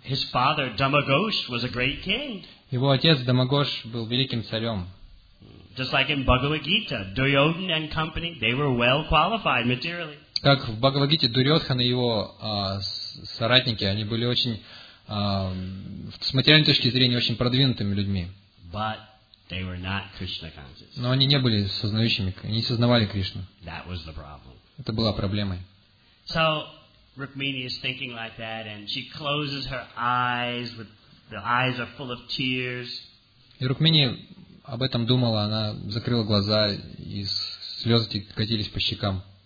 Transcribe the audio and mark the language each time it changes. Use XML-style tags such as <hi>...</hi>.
<en>His father Damagosh was a great king.</en> <ru>Его отец Дамагош был великим царем.</ru> <en>Just like in Bhagavad Gita, Duryodhan and company, they were well qualified materially.</en> <ru>Как в Бхагавад Гите Дурьодхан и его соратники, они были очень с материальной точки зрения очень продвинутыми людьми.</ru> <en>But they were not Krishna conscious.</en> <ru>Но они не были сознающими, они не сознавали Кришну.</ru> <en>That was the problem.</en> <ru>Это была проблемой.</ru> <en>So Rukmini is thinking like that, and she closes her eyes. With the eyes are full of tears.</en> <ru>И Рукмини об этом думала. Она закрыла глаза, и слезы катились по щекам.</ru>